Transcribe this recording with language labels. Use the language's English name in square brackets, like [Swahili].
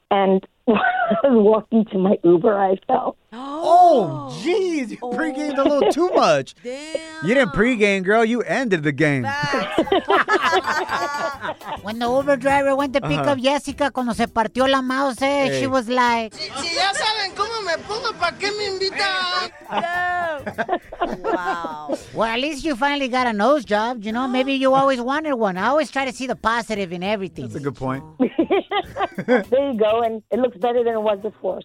[English] And I was walking to my Uber, I fell. Oh, jeez. You pregamed a little too much. Damn. You didn't pregame, girl. You ended the game. When the Uber driver went to pick up Jessica, [Spanish] cuando se partió la mouse, [English] she was like, [Spanish] si ya saben cómo me pongo, ¿para qué me invitan? [English] Wow. Well, at least you finally got a nose job. You know, maybe you always wanted one. I always try to see the positive in everything. That's a good point. There you go. And it looks better than it was before.